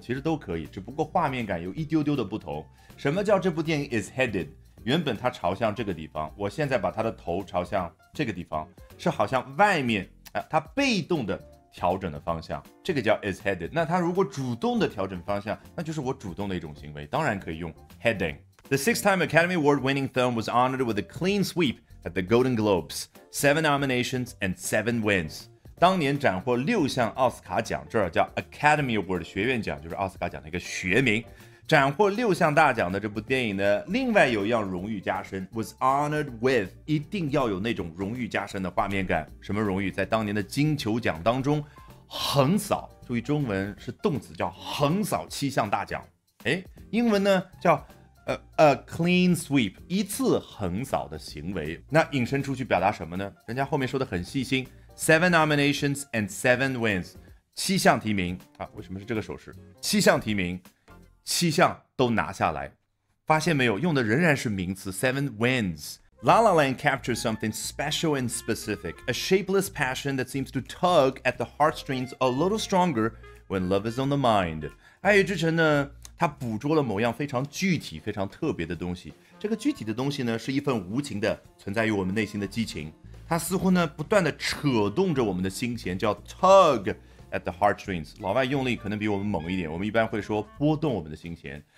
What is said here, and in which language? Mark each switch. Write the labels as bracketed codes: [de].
[zh] 其实都可以，只不过画面感有一丢丢的不同。什么叫这部电影 [en] is headed？ [zh] 原本它朝向这个地方，我现在把它的头朝向这个地方，是好像外面、它被动的调整的方向，这个叫 [en] is headed。 [zh] 那它如果主动的调整方向，那就是我主动的一种行为，当然可以用 heading。 [en] The six-time Academy Award winning film was honored with a clean sweep at the Golden Globes, 7 nominations and 7 wins。 [zh] 当年斩获6项奥斯卡奖，这叫 Academy Award 学院奖，就是奥斯卡奖的一个学名，斩获6项大奖的这部电影呢，另外有一样荣誉加身， [en] was honored with， [zh] 一定要有那种荣誉加身的画面感。什么荣誉？在当年的金球奖当中横扫，注意中文是动词，叫横扫7项大奖。英文呢叫 [en] a clean sweep， [zh] 一次横扫的行为。那引申出去表达什么呢？人家后面说的很细心， [en] 7 nominations and 7 wins， [zh] 7项提名啊。为什么是这个手势？ 7项提名，7项都拿下来，发现没有，用的仍然是名词 [en] 7 wins。 La La Land captures something special and specific, a shapeless passion that seems to tug at the heartstrings a little stronger when love is on the mind。 [zh] 爱乐之城呢，它捕捉了某样非常具体非常特别的东西，这个具体的东西呢，是一份无情的存在于我们内心的激情，它似乎呢不断的扯动着我们的心弦，叫 [en] tug at the heartstrings， [zh] 老外用力可能比我们猛一点，我们一般会说拨动我们的心弦。